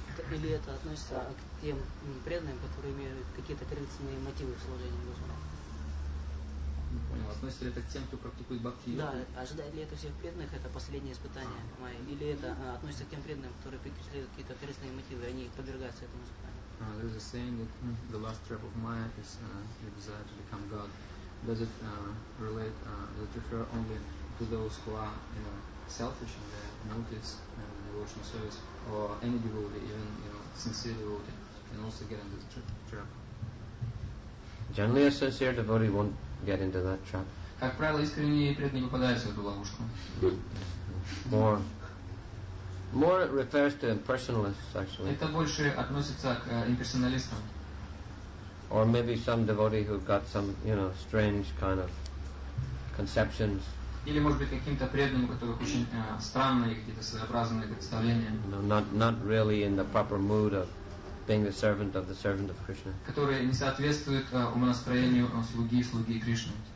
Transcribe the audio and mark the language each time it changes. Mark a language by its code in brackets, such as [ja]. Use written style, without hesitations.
[ru] Или это относится к тем преданным, которые имеют какие-то традиционные мотивы в служении Богу? Понял. Относится ли это к тем, кто практикует бхакти-йогу? Да. Ожидает ли это всех преданных, это последнее испытание майя? Или это относится к тем преданным, которые преследуют какие-то корыстные мотивы, они подвергаются этому испытанию? [en] There is a saying that the last trap of майя is the desire to become God. Does it relate, does it refer only to those who are, you know, selfish in their motives and devotional service, or any devotee, even, you know, sincere devotee, can also get into the trap? Generally, a sincere devotee won't get into that trap. [ru] Как правило, искренние преданные попадают в эту ловушку. [en] More it refers to impersonalists, actually. [ru] Это больше относится к имперсоналистам. [en] Or maybe some devotee who got some, you know, strange kind of conceptions. [ru] Или может быть каким-то преданным, у которых очень странные какие-то своеобразные представления. [en] No, not really in the proper mood of being the servant of the servant of Krishna. [ru] Которые не соответствуют умонастроению слуги Кришны.